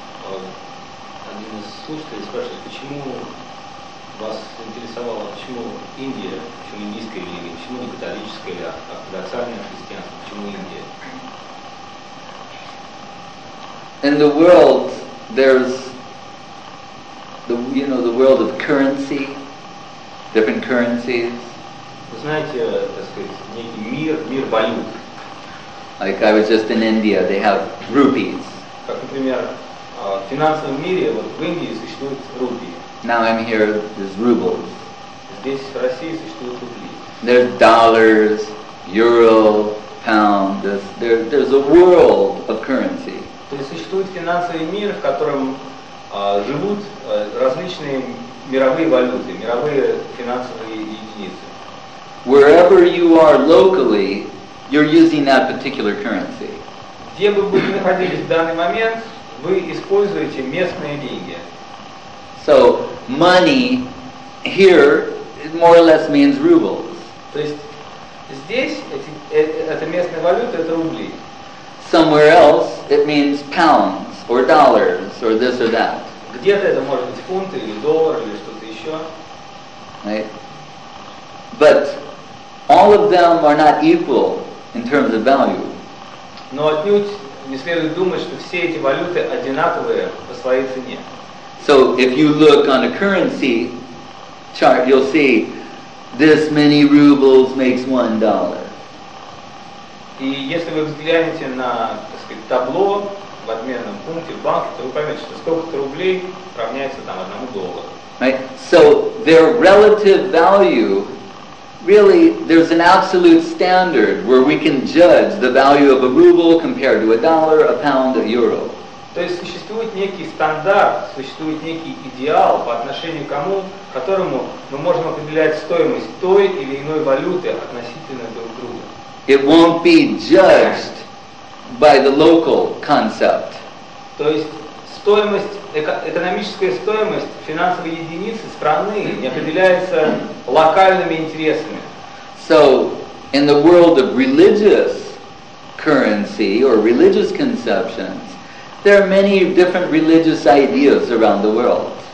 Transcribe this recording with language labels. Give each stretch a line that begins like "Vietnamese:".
Russian: Один из слушателей спрашивает, почему вас интересовало, почему Индия, почему индийская религия, почему не католическая или ортодоксальная христианство, почему Индия?
English: In the world, there's the, you know, the world of currency, different currencies.
Russian: Вы знаете, так сказать, некий мир, мир валют.
English: Like I was just in India, they have rupees.
Russian: Как, например, в финансовом мире, вот в Индии существуют рупии.
English: Now I'm here, there's rubles.
Russian: Здесь, в России, существуют рубли.
English: There's dollars, euro, pound, there's a world of currency.
Russian: То есть существует финансовый мир, в котором живут различные мировые валюты, мировые финансовые единицы.
English: Wherever you are locally, you're using that particular currency.
Russian: Где бы вы ни находились в данный момент, вы используете местные деньги.
English: So money here more or less means rubles.
Russian: То есть здесь эта местная валюта это рубли.
English: Somewhere else it means pounds or dollars or this or that.
Russian: Где-то это может быть фунты или доллар или что-то еще.
English: Right. But all of them are not equal in terms of value.
Russian: Но отнюдь не следует думать, что все эти валюты одинаковые по своей цене.
English: So if you look on a currency chart, you'll see this many rubles makes $1.
Russian: И если вы взглянете на, так сказать, табло в обменном пункте в банке, то вы поймете, что сколько-то рублей равняется там одному доллару.
English: Right? So their relative value. Really, there's an absolute standard where we can judge the value of a ruble compared to a dollar, a pound, a euro.
Russian: То есть существует некий стандарт, существует некий идеал по отношению к кому, которому мы можем определять стоимость той или иной валюты относительно друг друга.
English: It won't be judged by the local concept.
Russian: То есть стоимость, экономическая стоимость финансовой единицы страны не определяется локальными интересами.
English: So, in the world of religious currency or religious conceptions, there are many different religious ideas around the world.